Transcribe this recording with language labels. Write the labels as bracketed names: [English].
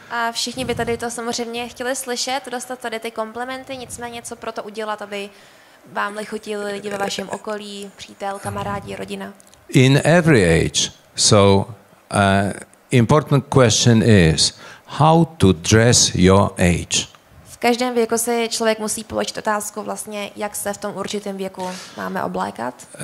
[Czech] A všichni by tady to samozřejmě chtěli slyšet, dostat tady ty komplimenty, nicméně co pro to udělat, aby vám lichotili lidi ve vašem okolí, přítel, kamarádi, rodina. [English] In every age, so important question is how to dress your age. [Czech] V každém věku se člověk musí položit otázku vlastně, jak se v tom určitém věku máme oblékat.